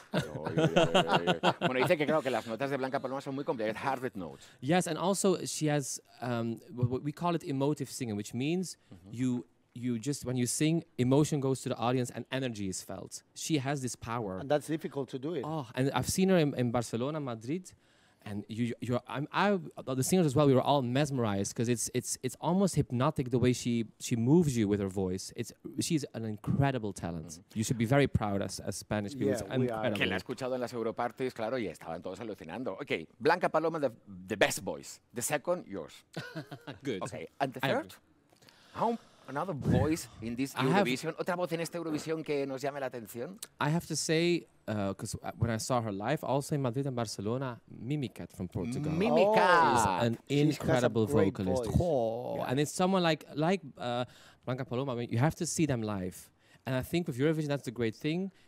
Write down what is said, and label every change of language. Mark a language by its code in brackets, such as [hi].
[es] Bueno, dice que creo que las notas de Blanca Paloma son muy complicadas. [en] Hard with notes. Yes, and also she has what we call it emotive singing, which means you just, when you sing, emotion goes to the audience and energy is felt. She has this power. And that's difficult to do it. Oh, and I've seen her in Barcelona, Madrid, and the singers as well, we were all mesmerized because it's almost hypnotic the way she moves you with her voice. She's an incredible talent. Mm. You should be very proud as Spanish people. Yeah, we are. [es] Que la ha escuchado en las Europartes, claro, y estaban todos alucinando. [en] Okay, Blanca Paloma, the best voice. The second, yours. Good. Okay, and the third? Home. Another voice in this Eurovision? [es] Otra voz en esta Eurovision que nos llame la atención? [en] I have to say, because when I saw her live, also in Madrid and Barcelona, Mimiket from Portugal. Mimiket! Is an incredible vocalist. Voice. Oh. Yeah. And it's someone like Blanca Paloma. I mean, you have to see them live. And I think with Eurovision, that's the great thing.